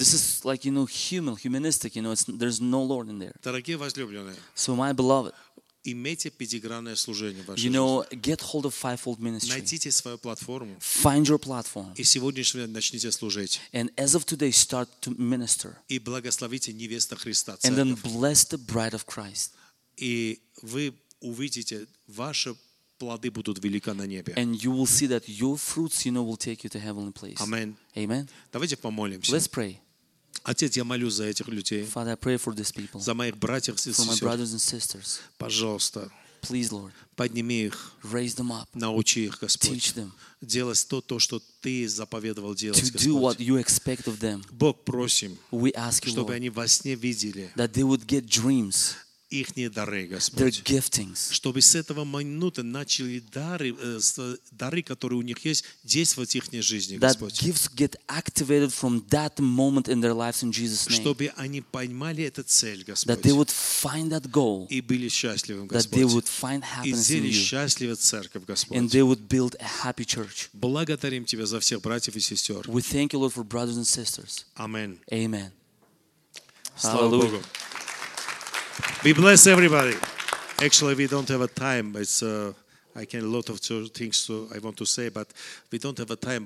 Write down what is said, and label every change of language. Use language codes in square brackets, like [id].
[en] This is like, you know, humanistic. You know, there's no Lord in there. [ru] Дорогие возлюбленные. [en] So my beloved. [ru] Имейте пятигранное служение в вашей [en] you know, [ru] жизни. [en] Get hold of fivefold ministry. [ru] Найдите свою платформу. [en] Find your platform. [ru] И сегодняшнего дня начните служить. [en] And as of today, start to minister. [ru] И благословите невесту Христа. [en] And then bless the bride of Christ. [ru] И вы увидите, ваши плоды будут велика на небе. [en] And you will see that your fruits, you know, will take you to heavenly place. Amen. Amen. [ru] Давайте помолимся. [en] Let's pray. [ru] Отец, я молюсь за этих людей. [en] Father, I pray for these people. [ru] За моих братьев и сестер. [en] For my brothers and sisters. [ru] Пожалуйста. [en] Please, Lord. [ru] Подними их. [en] Raise them up. [ru] Научи их, Господь. [en] Teach them. [ru] Делать то, что Ты заповедовал делать, [en] to [ru] Господь. [en] Do what you expect of them. [ru] Бог, просим. [en] We ask you, [ru] чтобы [en] Lord, [ru] они во сне видели. [en] That they would get dreams. [ru] Их не дары, Господь. [en] Their giftings. [ru] Чтобы с этого момента начали дары, дары, которые у них есть, действовать в их жизни, Господь. [en] That gifts get activated from that moment in their lives in Jesus' name. [ru] Чтобы они поймали эту цель, Господь. [en] That they would find that goal. [ru] И были счастливым, Господь. [en] That they would find happiness in you. [ru] И счастливую церковь, Господь. [en] And they would build a happy church. [ru] Благодарим Тебя за всех братьев и сестер. [en] We thank You, Lord, for brothers and sisters. Amen. Amen. [ru] Слава Богу. [en] We bless everybody. Actually, we don't have a time. It's I can a lot of things to, I want to say, but we don't have a time.